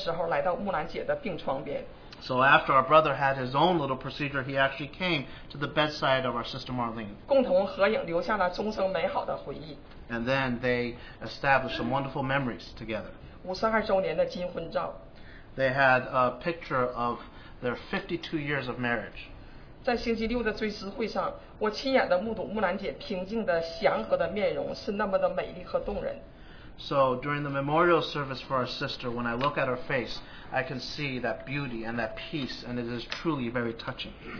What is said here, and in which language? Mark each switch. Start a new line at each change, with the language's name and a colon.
Chinese: 做完手术，下手术台的时候，来到木兰姐的病床边。
English: So after our brother had his own little procedure, he actually came to the bedside of our sister Marlene.
Chinese: 共同合影，留下了终生美好的回忆。
English: And then they established some wonderful memories together.
Chinese: 52周年的金婚照。
English: They had a picture of their 52 years of marriage.
Chinese: 在星期六的追思会上，我亲眼的目睹木兰姐平静的祥和的面容是那么的美丽和动人。
English: So during the memorial service for our sister, when I look at her face, I can see that beauty and that peace, and it is truly very touching.